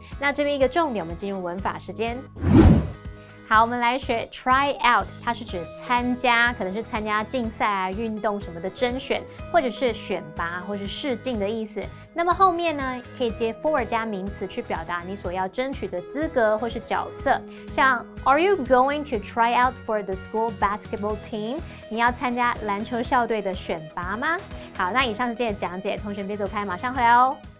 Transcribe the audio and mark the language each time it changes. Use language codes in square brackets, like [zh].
[zh] 那这边一个重点，我们进入文法时间。好，我们来学 try out， 它是指参加，可能是参加竞赛啊、运动什么的甄选，或者是选拔，或是试镜的意思。那么后面呢，可以接 for 加名词去表达你所要争取的资格或是角色。 [en] 像 Are you going to try out for the school basketball team？ [zh] 你要参加篮球校队的选拔吗？好，那以上是今天的讲解，同学别走开，马上回来哦。